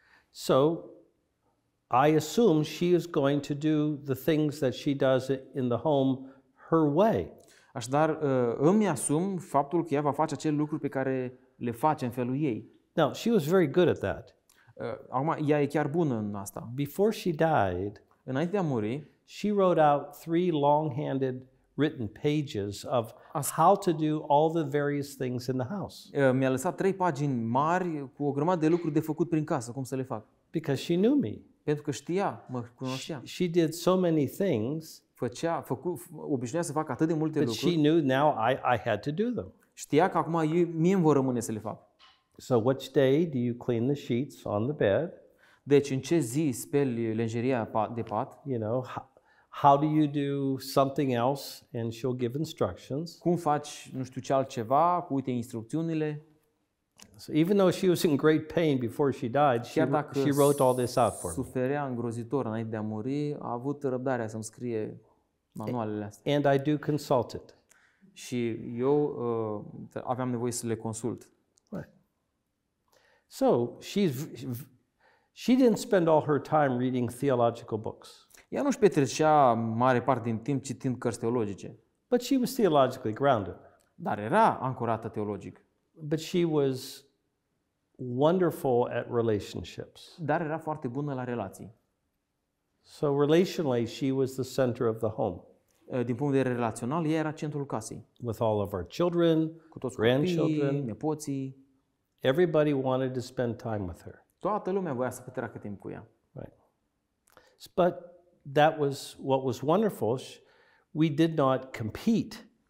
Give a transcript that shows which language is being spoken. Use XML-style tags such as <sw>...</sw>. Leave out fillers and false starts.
<en>So I assume she is going to do the things that she does in the home her way.</en> <ro>Așadar, îmi asum faptul că ea va face acele lucruri pe care le face în felul ei.</ro> <en>Now, she was very good at that.</en> <ro>Acum, ea e chiar bună în asta.</ro> <en>Before she died,</en> <ro>înainte de a muri,</ro> <en>she wrote out 3 long-handed written pages of how to do all the various things in the house.</en> <ro>Mi-a lăsat 3 pagini mari cu o grămadă de lucruri de făcut prin casă, cum să le fac.</ro> <en>Because she knew me.</en> <ro>Pentru că știa, mă cunoștea.</ro> <en>She did so many things.</en> <ro>Obișnuia să fac atât de multe lucruri.</ro> <en>But she knew now I had to do them.</en> <ro>Știa că acum mie îmi vor rămâne să le fac.</ro> <en>So which day do you clean the sheets on the bed?</en> <ro>Deci în ce zi speli lenjeria de pat?</ro> <en>You know, how do you do something else? And she'll give instructions.</en> <ro>Cum faci, nu știu ce altceva, cu uite instrucțiunile.</ro> <en>So even though she was in great pain before she died, she wrote all this out for me.</en> <ro>Suferea îngrozitor înainte de a muri, a avut răbdarea să-mi scrie manualele astea.</ro> <en>And I do consult it.</en> <ro>Și eu aveam nevoie să le consult.</ro> <en>So she didn't spend all her time reading theological books.</en> <ro>Ea nu își petrecea mare parte din timp citind cărți teologice.</ro> <en>But she was theologically grounded.</en> <ro>Dar era ancorată teologic.</ro> <en>But she was wonderful at relationships.</en> <ro>Dar era foarte bună la relații.</ro> <en>So relationally she was the center of the home.</en> <ro>Din punct de vedere relațional, ea era centrul casei.</ro> <en>With all of our children,</en> <ro>cu toți</ro> <en>grandchildren,</en> <ro>copiii, nepoții.</ro> <en>Everybody wanted to spend time with her.</en> <ro>Toată lumea voia să petreacă timp cu ea.</ro> <en>Right. But that was what was wonderful. We did not compete.</en>